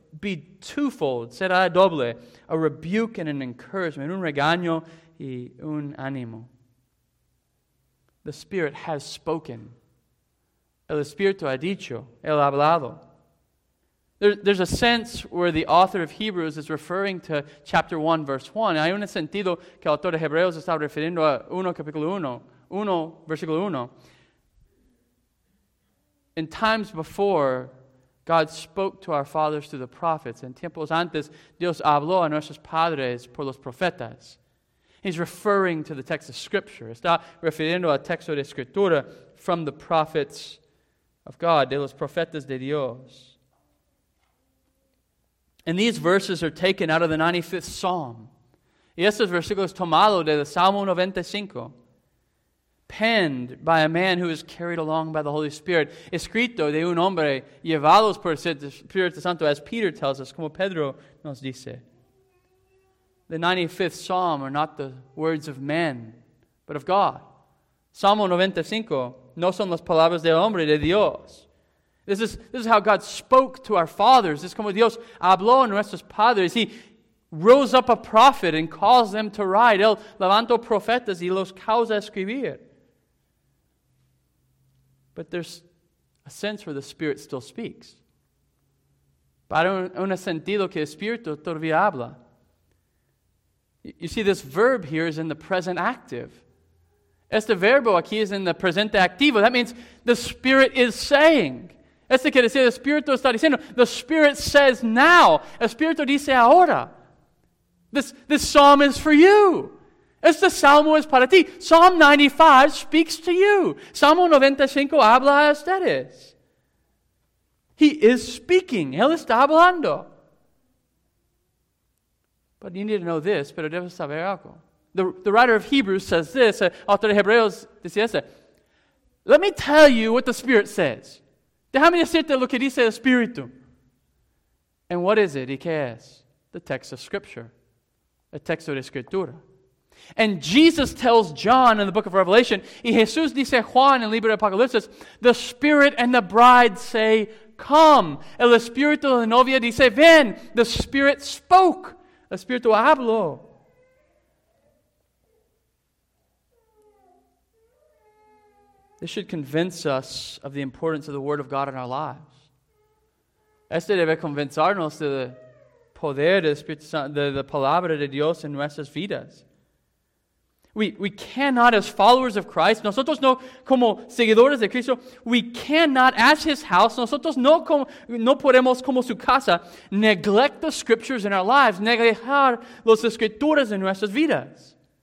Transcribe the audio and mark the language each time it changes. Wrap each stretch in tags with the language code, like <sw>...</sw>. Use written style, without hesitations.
<en>be twofold,</en> <es>será doble,</es> <en>a rebuke and an encouragement,</en> <es>un regaño y un ánimo.</es> <en>The Spirit has spoken.</en> <es>El Espíritu ha dicho, el ha hablado.</es> <en>There's a sense where the author of Hebrews is referring to chapter 1, verse 1.</en> <es>Hay un sentido que el autor de Hebreos está refiriendo a 1, capítulo 1, 1, versículo 1.</es> <en>In times before, God spoke to our fathers through the prophets.</en> <es>En tiempos antes, Dios habló a nuestros padres por los profetas.</es> <en>He's referring to the text of Scripture.</en> <es>Está refiriendo al texto de Escritura</es> <en>from the prophets of God,</en> <es>de los profetas de Dios.</es> <en>And these verses are taken out of the 95th Psalm.</en> <es>Y estos versículos tomado de el Salmo 95,</es> <en>penned by a man who is carried along by the Holy Spirit,</en> <es>escrito de un hombre llevados por el Espíritu Santo,</es> <en>as Peter tells us,</en> <es>como Pedro nos dice.</es> <en>The 95th Psalm are not the words of men, but of God.</en> <es>Salmo 95 no son las palabras del hombre, de Dios.</es> <en>This is how God spoke to our fathers.</en> <es>Es como Dios habló a nuestros padres.</es> <en>He rose up a prophet and caused them to write.</en> <es>Él levantó profetas y los causa escribir.</es> <en>But there's a sense where the Spirit still speaks.</en> <es>Para un sentido que el Espíritu todavía habla.</es> <en>You see, this verb here is in the present active.</en> <es>Este verbo aquí es en el presente activo.</es> <en>That means the Spirit is saying.</en> <es>Este quiere decir, el Espíritu está diciendo,</es> <en>the Spirit says now.</en> <es>El Espíritu dice ahora.</es> <en>This psalm is for you.</en> <es>Este salmo es para ti.</es> <en>Psalm 95 speaks to you.</en> <es>Salmo 95 habla a ustedes.</es> <en>He is speaking.</en> <es>Él está hablando.</es> <en>But you need to know this,</en> <es>pero debes saber algo.</es> <en>The writer of Hebrews says this,</en> <es>autor de Hebreos dice este.</es> <en>Let me tell you what the Spirit says.</en> <es>Déjame decirte lo que dice el Espíritu.</es> <en>And what is it?</en> <es>¿Y qué es?</es> <en>The text of Scripture.</en> <es>El texto de Escritura.</es> <en>And Jesus tells John in the book of Revelation,</en> <es>y Jesús dice Juan en el libro de Apocalipsis,</es> <en>the Spirit and the Bride say, come.</en> <es>El Espíritu de la novia dice, ven.</es> <en>The Spirit spoke.</en> <es>El Espíritu habló.</es> <en>This should convince us of the importance of the Word of God in our lives.</en> <es>Este debe convencernos del poder del Espíritu Santo, de la palabra de Dios en nuestras vidas.</es> <en>We cannot, as followers of Christ,</en> <es>nosotros no como seguidores de Cristo,</es> <en>we cannot, as His house,</en> <es>nosotros no podemos como su casa,</es> <en>neglect the Scriptures in our lives,</en> <es>negar las Escrituras en nuestras vidas.</es>